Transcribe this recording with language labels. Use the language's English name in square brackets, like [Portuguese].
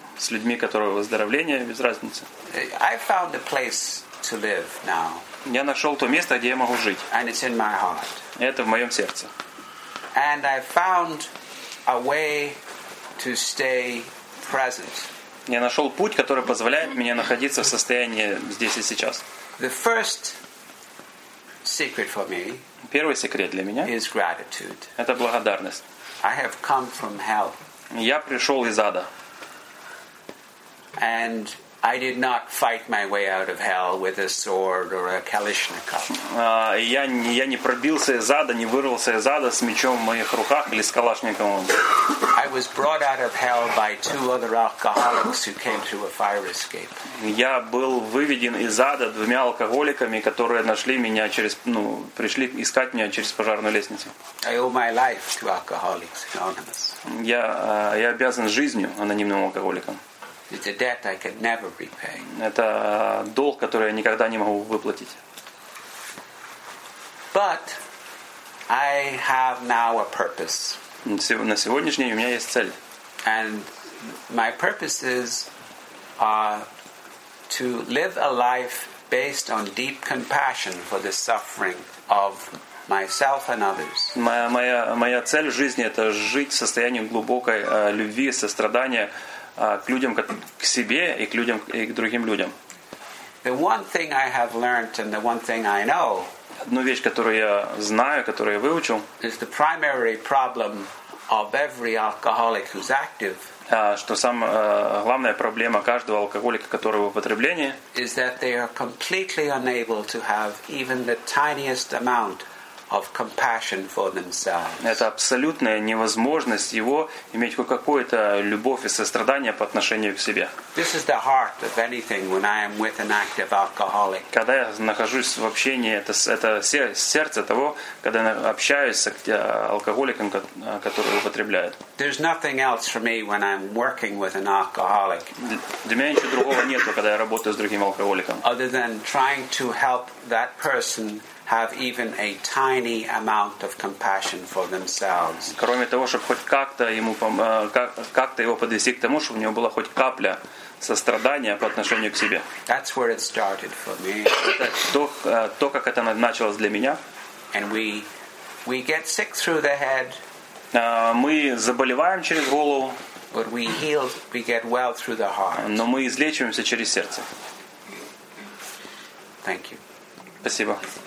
[Russian] С людьми, которые выздоровление, без разницы. [English] I found a place to live now. [Russian] Я нашел то место, где я могу жить. [English] And it's in my heart. [Russian] Это в моем сердце. [English] And I found a way to stay present. [Russian] Я нашел путь, который позволяет мне находиться в состоянии здесь и сейчас. [English] The first secret for me. [Russian] Первый секрет для меня. [English] Is gratitude. [Russian] Это благодарность. [English] I have come from hell. [Russian] Я пришел из ада. [English] And I did not fight my way out of hell with a sword or a Kalashnikov. [Russian] Я не пробился из ада, не вырвался из ада с мечом в моих руках или с Калашниковым. [English] I was brought out of hell by two other alcoholics who came through a fire escape. [Russian] Я был выведен из ада двумя алкоголиками, которые нашли меня через, ну, пришли искать меня через пожарную лестницу. [English] I owe my life to Alcoholics Anonymous. [Russian] Я обязан жизнью анонимным алкоголикам. [English] It's a debt I could never repay. [Russian] Это долг, который я никогда не могу выплатить. [English] But I have now a purpose. [Russian] На сегодняшний день у меня есть цель. [English] And my purpose is to live a life based on deep compassion for the suffering of myself and others. [Russian] Моя цель в жизни – это жить в состоянии глубокой любви, сострадания к людям, к себе и к людям и к другим людям. [English] The one thing I have learned and the one thing I know. [Russian] Одну вещь, которую я знаю, которую я выучил. [English] Is the primary problem of every alcoholic who's active. [Russian] Что самая главная проблема каждого алкоголика, который в употреблении. [English] Is that they are completely unable to have even the tiniest amount of compassion for themselves. [Russian] Это абсолютная невозможность его иметь хоть какую-то любовь и сострадание по отношению к себе. [English] This is the heart of anything when I am with an active alcoholic. [Russian] Когда я нахожусь в общении, это сердце того, когда я общаюсь с алкоголиком, который употребляет. [English] There's nothing else for me when I'm working with an alcoholic. [Russian] Для меня ничего другого нету, когда я работаю с другим алкоголиком. [English] Other than trying to help that person have even a tiny amount of compassion for themselves. [Russian] Кроме того, чтобы хоть как-то ему как-то его подвести к тому, чтобы у него была хоть капля сострадания по отношению к себе. [English] That's where it started for me. [Russian] То, как это началось для меня. [English] And we get sick through the head. [Russian] Мы заболеваем через голову. [English] But we heal, we get well through the heart. [Russian] Но мы излечиваемся через сердце. [English] Thank you. [Russian] Спасибо.